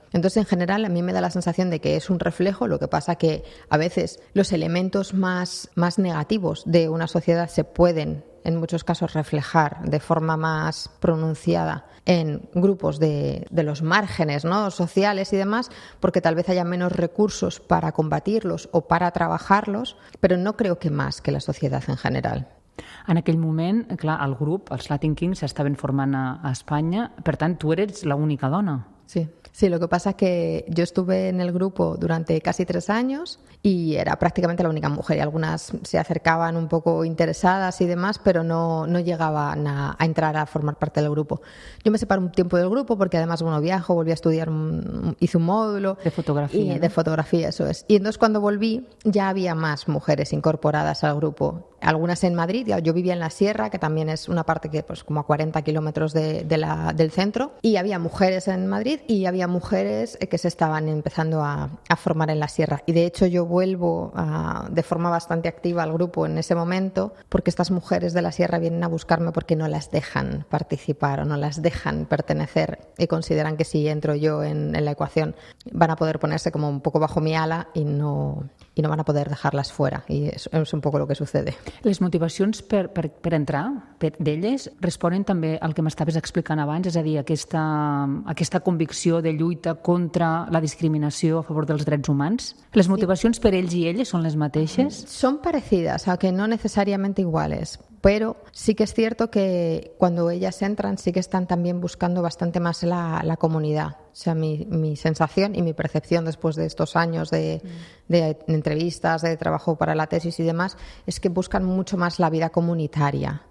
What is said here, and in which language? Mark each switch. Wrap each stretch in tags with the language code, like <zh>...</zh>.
<es>Entonces, en general, a mí me da la sensación de que es un reflejo, lo que pasa que a veces los elementos más negativos de una sociedad se pueden, en muchos casos, reflejar de forma más pronunciada en grupos de los márgenes, ¿no?, sociales y demás, porque tal vez haya menos recursos para combatirlos o para trabajarlos, pero no creo que más que la sociedad en general.</es> <ca>En aquell moment, clar, el grup, els Latin Kings, s'estaven formant a Espanya, per tant, tu eres l'única dona.</ca> <es>Sí. Sí, lo que pasa es que yo estuve en el grupo durante casi 3 años y era prácticamente la única mujer y algunas se acercaban un poco interesadas y demás, pero no llegaban a entrar a formar parte del grupo. Yo me separé un tiempo del grupo porque además, bueno, viajo, volví a estudiar, hice un módulo. De fotografía. De fotografía, eso es. Y entonces cuando volví ya había más mujeres incorporadas al grupo. Algunas en Madrid, yo vivía en la sierra, que también es una parte que pues como a 40 kilómetros del centro, y había mujeres en Madrid y había mujeres que se estaban empezando a formar en la sierra. Y de hecho yo vuelvo de forma bastante activa al grupo en ese momento, porque estas mujeres de la sierra vienen a buscarme porque no las dejan participar o no las dejan pertenecer y consideran que si entro yo en la ecuación van a poder ponerse como un poco bajo mi ala y no van a poder dejarlas fuera. Y es un poco lo que sucede.</es> <ca>Les motivacions per entrar d'elles responen també al que m'estaves explicant abans, és a dir, aquesta convicció de lluita contra la discriminació a favor dels drets humans. Les motivacions per ells i elles són les mateixes? Són parecides,</ca> <es>aunque no necesariamente iguales. Pero sí que es cierto que cuando ellas entran sí que están también buscando bastante más la comunidad. O sea, mi sensación y mi percepción después de estos años de entrevistas, de trabajo para la tesis y demás, es que buscan mucho más la vida comunitaria.</es>